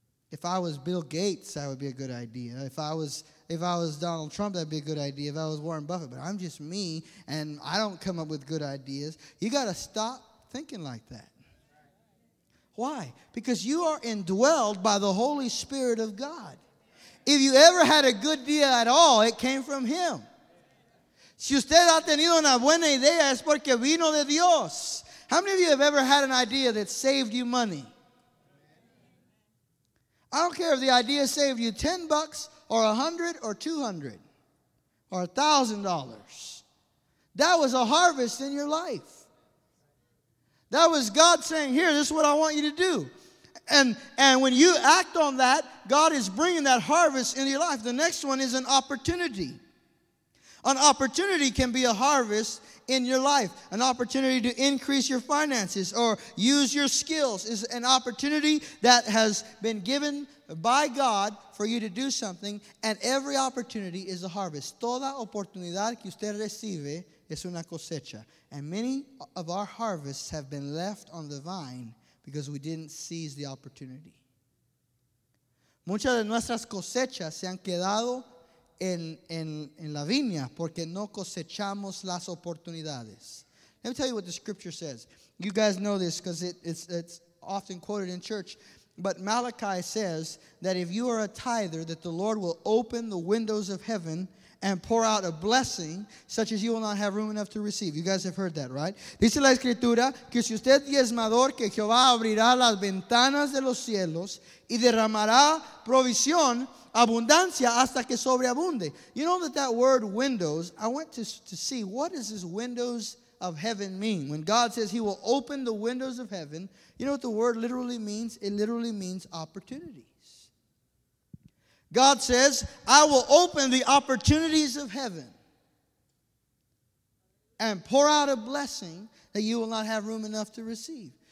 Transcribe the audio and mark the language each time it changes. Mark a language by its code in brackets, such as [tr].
[en] If I was Bill Gates, that would be a good idea. If I was Donald Trump, that'd be a good idea. If I was Warren Buffett, but I'm just me and I don't come up with good ideas." You gotta stop thinking like that. Why? Because you are indwelled by the Holy Spirit of God. If you ever had a good idea at all, it came from Him. [es] Si usted ha tenido una buena idea, es porque vino de Dios. [en] How many of you have ever had an idea that saved you money? I don't care if the idea saved you $10 or $100 or $200 or $1,000. That was a harvest in your life. That was God saying, "Here, this is what I want you to do." And when you act on that, God is bringing that harvest into your life. The next one is an opportunity. An opportunity can be a harvest in your life. An opportunity to increase your finances or use your skills is an opportunity that has been given by God for you to do something. And every opportunity is a harvest. [es] Toda oportunidad que usted recibe es una cosecha. [en] And many of our harvests have been left on the vine because we didn't seize the opportunity. [es] Muchas de nuestras cosechas se han quedado en la viña porque no cosechamos las oportunidades. [en] Let me tell you what the scripture says. You guys know this because it's often quoted in church. But Malachi says that if you are a tither, that the Lord will open the windows of heaven and pour out a blessing such as you will not have room enough to receive. You guys have heard that, right? [es] Dice la escritura que si usted diezmador, que Jehová abrirá las ventanas de los cielos y derramará provisión, abundancia, hasta que sobreabunde. [en] You know that word windows, I went to see what does this windows of heaven mean? When God says he will open the windows of heaven, you know what the word literally means? It literally means opportunity. God says, I will open the opportunities of heaven and pour out a blessing that you will not have room enough to receive.